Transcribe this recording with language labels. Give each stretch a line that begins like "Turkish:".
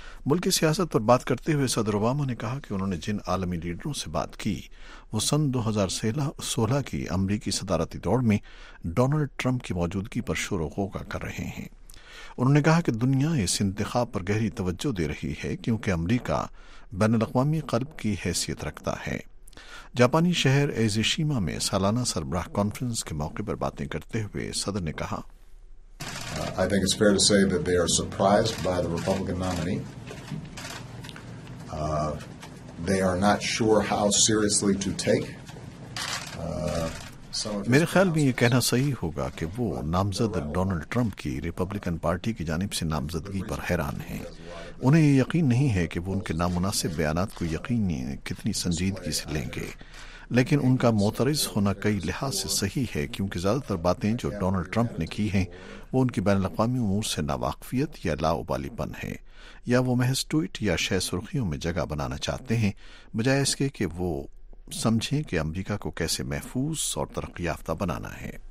Urdu: ملکی سیاست پر بات کرتے ہوئے صدر اوباما نے کہا کہ انہوں نے جن عالمی لیڈروں سے بات کی وہ سن 2016 کی امریکی صدارتی دوڑ میں ڈونلڈ ٹرمپ کی موجودگی پر شور و غوغہ کر رہے ہیں۔ انہوں نے کہا کہ دنیا اس انتخاب پر گہری توجہ دے رہی ہے کیونکہ امریکہ بین الاقوامی قلب کی حیثیت رکھتا ہے۔ جاپانی شہر ایزوشیما میں سالانہ سربراہ کانفرنس کے موقع پر باتیں کرتے ہوئے صدر نے کہا،
English: I think it's fair to say that they are surprised by the Republican nominee. They are not sure how seriously to take.
Urdu: میرے خیال میں یہ کہنا صحیح ہوگا کہ وہ نامزد ڈونلڈ ٹرمپ کی ریپبلکن پارٹی کی جانب سے نامزدگی پر حیران ہیں۔ انہیں یہ یقین نہیں ہے کہ وہ ان کے نامناسب بیانات کو یقینی کتنی سنجیدگی سے لیں گے، لیکن ان کا معترض ہونا کئی لحاظ سے صحیح ہے کیونکہ زیادہ تر باتیں جو ڈونلڈ ٹرمپ نے کی ہیں وہ ان کی بین الاقوامی امور سے ناواقفیت یا لاوبالی پن ہے، یا وہ محض ٹویٹ یا شہ سرخیوں میں جگہ بنانا چاہتے ہیں بجائے اس کے کہ وہ سمجھیں کہ امریکہ کو کیسے محفوظ اور ترقی یافتہ بنانا ہے۔